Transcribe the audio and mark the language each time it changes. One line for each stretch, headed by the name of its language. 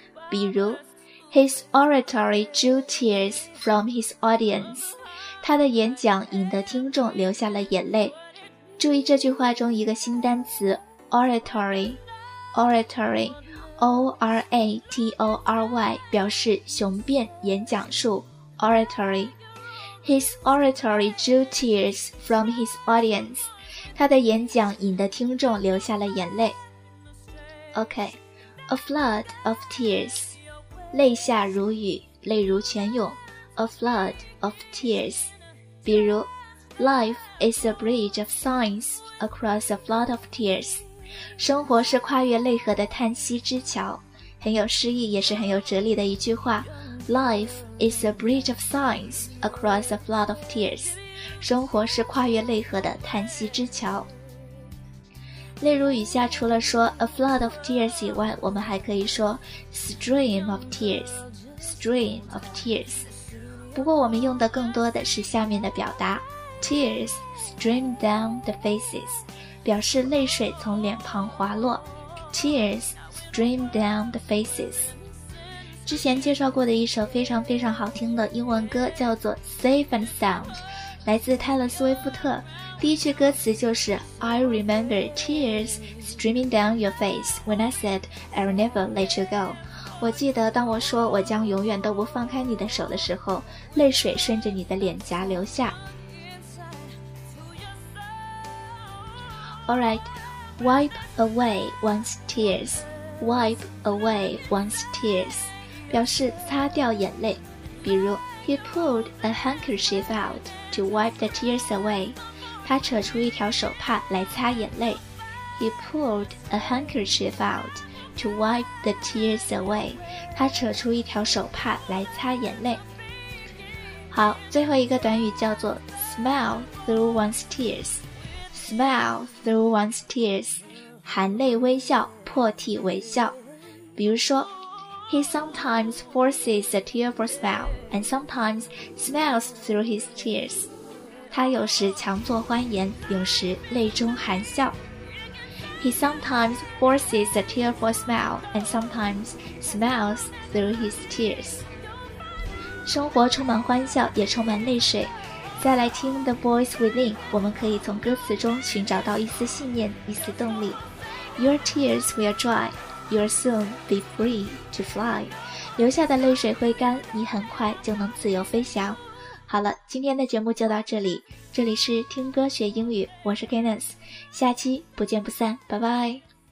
Chinese: 比如
English: his oratory drew tears from his audience，
Chinese: 他的演讲引得听众流下了眼泪。注意这句话中一个新单词 oratory O-R-A-T-O-R-Y 表示雄辩演讲术 oratory。
English: His oratory drew tears from his audience，
Chinese: 他的演讲引得听众流下了眼泪。
English: OK， A flood of tears，
Chinese: 泪下如雨，泪如泉涌。
English: A flood of tears。 比如 Life is a bridge of sighs across a flood of tears，
Chinese: 生活是跨越泪河的叹息之桥。很有诗意也是很有哲理的一句话，
English: Life is a bridge of sighs across a flood of tears，
Chinese: 生活是跨越泪河的叹息之桥。例如以下除了说
English: a flood of tears
Chinese: 以外，我们还可以说
English: stream of tears， stream of tears。
Chinese: 不过我们用的更多的是下面的表达，
English: Tears stream down the faces，
Chinese: 表示泪水从脸庞滑落。
English: Tears stream down the faces。
Chinese: 之前介绍过的一首非常非常好听的英文歌叫做 Safe and Sound， 来自泰勒·斯威夫特。第一句歌词就是
English: I remember tears streaming down your face when I said I'll never let you go，
Chinese: 我记得当我说我将永远都不放开你的手的时候，泪水顺着你的脸颊流下。
English: Alright， Wipe away one's tears， Wipe away one's tears
Chinese: 表示擦掉眼泪。
English: 比如 He pulled a handkerchief out to wipe the tears away，
Chinese: 他扯出一条手帕来擦眼泪。
English: He pulled a handkerchief outTo wipe the tears away，
Chinese: 他扯出一条手帕来擦眼泪。好，最后一个短语叫做
English: smile through one's tears，
Chinese: smile through one's tears， 含泪微笑，破涕为笑。
English: 比如说 He sometimes forces a tearful smile and sometimes smiles through his tears，
Chinese: 他有时强作欢颜，有时泪中含笑。
English: He sometimes forces a tearful smile and sometimes smiles through his tears.
Chinese: 生活充满欢笑也充满泪水。再来听 The Voice Within， 我们可以从歌词中寻找到一丝信念，一丝动力。
English: Your tears will dry, you'll soon be free to fly.
Chinese: 流下的泪水会干，你很快就能自由飞翔。好了，今天的节目就到这里。这里是听歌学英语，我是 Kenneth， 下期不见不散，拜拜。